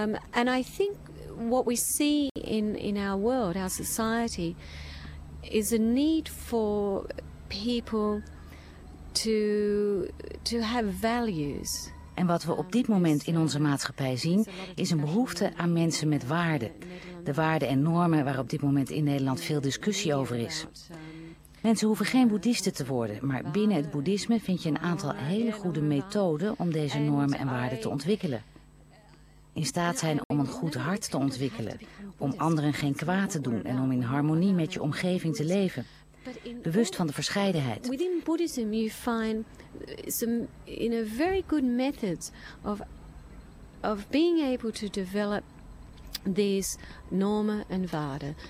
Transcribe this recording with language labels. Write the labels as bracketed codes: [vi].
[en] And I think what we see in our world, our society, is a need for people to have values. [nl] En wat we op dit moment in onze maatschappij zien, is een behoefte aan mensen met waarden. De waarden en normen waar op dit moment in Nederland veel discussie over is. Mensen hoeven geen boeddhisten te worden, maar binnen het boeddhisme vind je een aantal hele goede methoden om deze normen en waarden te ontwikkelen. In staat zijn om een goed hart te ontwikkelen, om anderen geen kwaad te doen en om in harmonie met je omgeving te leven. Bewust van de verscheidenheid. [en] Within Buddhism you find some in a very good methods of being able to develop these [nl] normen en waarden.